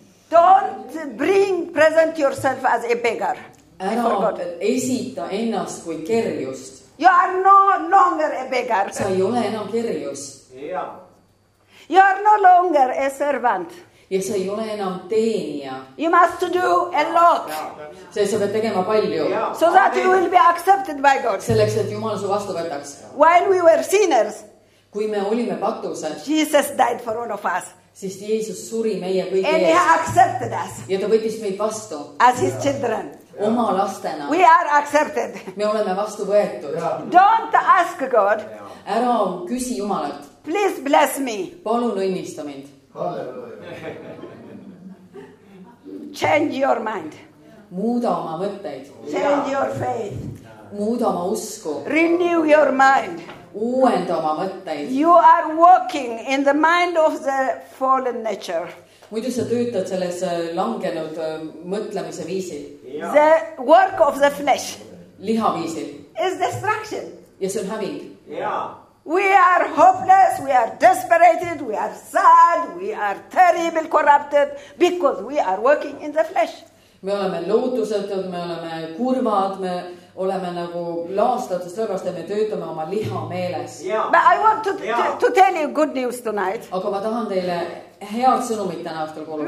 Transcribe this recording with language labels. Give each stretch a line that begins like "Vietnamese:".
English: Don't bring present yourself as a beggar.
Estonian: Ära esita ennast kui kerjust.
English: You are no longer a beggar.
Estonian: Sa ei ole enam kerjus.
English: Yeah. You are no longer a servant.
Estonian: Ja sa ei ole enam teenija.
English: You must do a lot.
Estonian: Yeah. Sa pead tegema palju. Yeah.
English: So that you will be accepted by God.
Estonian: Selleks, et Jumal su vastu võtaks.
English: While we were sinners.
Estonian: Kui me olime patused.
English: Jesus died for all of us.
Estonian: Sest Jeesus suri meie kõige eest.
English: And he accepted us.
Estonian: Ja ta võttis meid vastu.
English: As his children.
Estonian: Oma lastena.
English: We are accepted.
Estonian: Me oleme vastu võetud.
English: Don't ask God.
Estonian: Ära küsi Jumalat.
English: Please bless me.
Estonian: Palun õnnista mind.
English: Change your mind.
Estonian: Muuda oma mõtteid.
English: Change your faith.
Estonian: Muuda oma usku.
English: Renew your mind.
Estonian: Uuenda oma mõtteid.
English: You are walking in the mind of the fallen nature.
Estonian: Muidu sa töötad selles langenud mõtlemise viisil.
English: The work of the flesh.
Estonian: Liha viisil.
English: Is destruction.
Estonian: Ja see on häving.
English: Yeah. We are hopeless, we are desperate, we are sad, we are terrible corrupted, because we are working in the flesh.
Estonian: Me oleme lootusetud, me oleme kurvad, me oleme nagu laastatud, sõrgast, et me töötame oma liha meeles.
English: Yeah. But I want to tell you good news tonight.
Estonian: Aga ma tahan teile head sõnumid täna õhtul kuulutada.